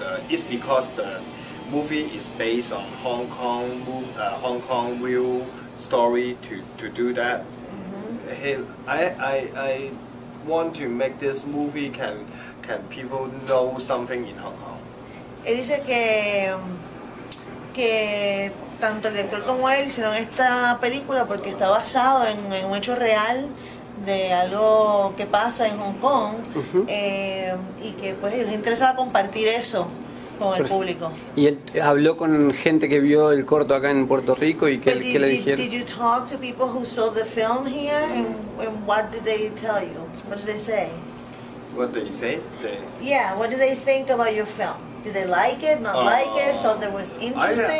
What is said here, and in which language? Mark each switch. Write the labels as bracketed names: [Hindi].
[English] It's because the movie is based on Hong Kong real story to do that. Mm-hmm. I want to make this movie can people know something in Hong Kong. [Spanish] Él dice que tanto el director como él hicieron esta película porque está basado en un hecho real de algo que pasa en Hong Kong. Uh-huh. Y que pues les interesaba compartir eso con el público. ¿Y él habló con gente que vio el corto acá en Puerto Rico y qué le dijeron? [English] Did you talk to people who saw the film here and what did they tell you? What did they say? What did they say? They... Yeah, what did they think about your film? Did they like it, not like it, thought it was interesting?